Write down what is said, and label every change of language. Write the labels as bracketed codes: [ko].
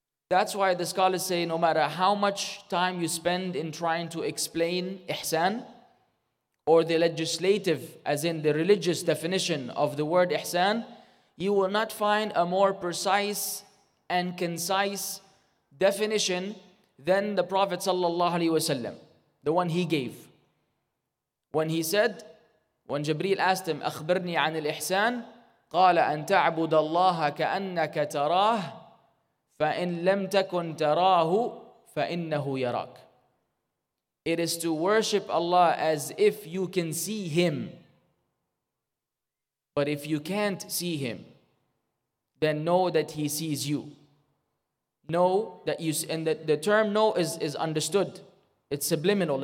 [en] That's why the scholars say, no matter how much time you spend in trying to explain Ihsan, or the legislative, as in the religious definition of the word Ihsan, you will not find a more precise and concise definition than the Prophet sallallahu alaihi wasallam, the one he gave. When he said, when Jibreel asked him, [ar] أخبرني عن الإحسان, قال أن تعبد الله كأنك تراه فإن لم تكن تراه فإنه يراك. [en] It is to worship Allah as if you can see Him. But if you can't see Him, then know that He sees you. Know that you, and the term know is understood. It's subliminal.